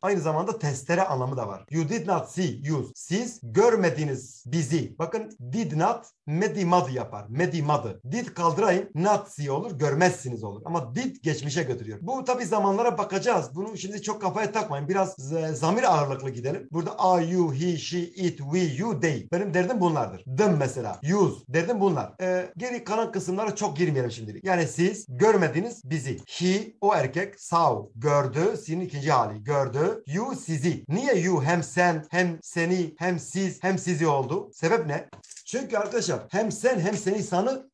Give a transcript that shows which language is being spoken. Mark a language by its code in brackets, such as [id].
[tr] Aynı zamanda testere anlamı da var. [en] You did not see us. [tr] Siz görmediniz bizi. Bakın did not medi madı yapar. Medi madı. Did kaldırayım. Not see olur. Görmezsiniz olur. Ama did geçmişe götürüyor. Bu tabi zamanlara bakacağız. Bunu şimdi çok kafaya takmayın. Biraz zamir ağırlıklı gidelim. Burada are you, he, she, it, we, you, they. Benim derdim bunlardır. Them mesela. Yous. Derdim bunlar. Geri kalan kısımlara çok girmeyelim şimdilik. Yani siz görmediniz bizi. He, o erkek. Saw. Gördü. Sizin ikinci hali. Gördü. You, sizi. Niye you hem sen, hem seni, hem siz, hem sizi oldu? Sebep ne? Çünkü arkadaşlar hem sen hem seni sanı